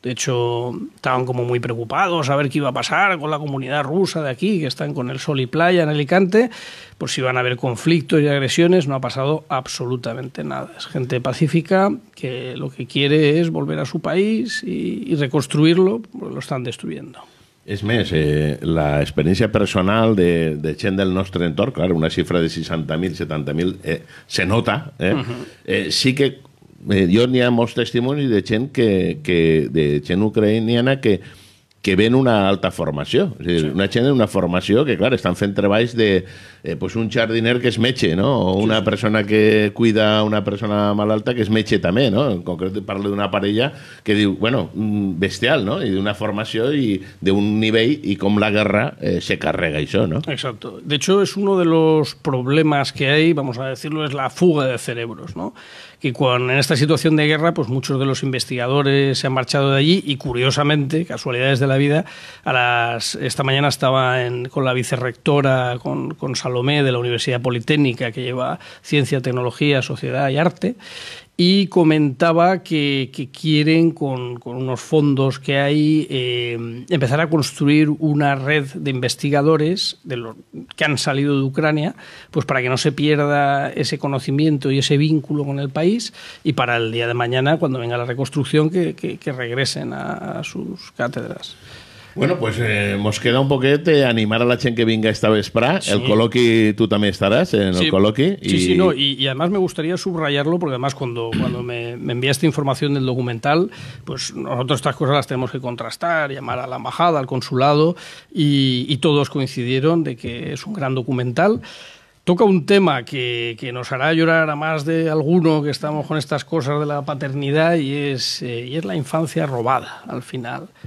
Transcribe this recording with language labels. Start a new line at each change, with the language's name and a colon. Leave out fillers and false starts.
Spanish: De hecho, estaban como muy preocupados a ver qué iba a pasar con la comunidad rusa de aquí, que están con el sol y playa en Alicante, pues si iban a haber conflictos y agresiones. No ha pasado absolutamente nada. Es gente pacífica que lo que quiere es volver a su país y reconstruirlo, pues lo están destruyendo.
Catalan: Es més, la experiència personal de gent del nostre entorn, clar, una xifra de 60.000, 70.000, se nota. Sí que jo n'hi ha molts testimonis de gent que de gent ucraïniana que ven una alta formació. O sigui, sí. Una gent en una formació que, clar, estan fent treballs de pues un jardiner que es metge, no? O una persona que cuida una persona malalta que es metge també, no? En concret parlo d'una parella que diu, bueno, bestial, no? I d'una formació i d'un nivell i com la guerra se carrega això, no?
Spanish: Exacto. De hecho, es uno de los problemas que hay, vamos a decirlo, es la fuga de cerebros, ¿no? Que cuando en esta situación de guerra, pues muchos de los investigadores se han marchado de allí y, curiosamente, casualidades de la vida, esta mañana estaba con la vicerrectora, con Salomé, de la Universidad Politécnica, que lleva Ciencia, Tecnología, Sociedad y Arte, y comentaba que quieren, con unos fondos que hay, empezar a construir una red de investigadores que han salido de Ucrania, pues para que no se pierda ese conocimiento y ese vínculo con el país, y para el día de mañana, cuando venga la reconstrucción, que regresen a sus cátedras.
Catalan: Bueno, pues mos queda un poquet animar a la gent que vinga esta vesprà. Sí. El col·loqui, tu també estaràs en el col·loqui.
Spanish: Y además me gustaría subrayarlo, porque además cuando me envía esta información del documental, pues nosotros estas cosas las tenemos que contrastar, llamar a la embajada, al consulado, y todos coincidieron de que es un gran documental. Toca un tema que nos hará llorar a más de alguno que estamos con estas cosas de la paternidad, y es la infancia robada, al final.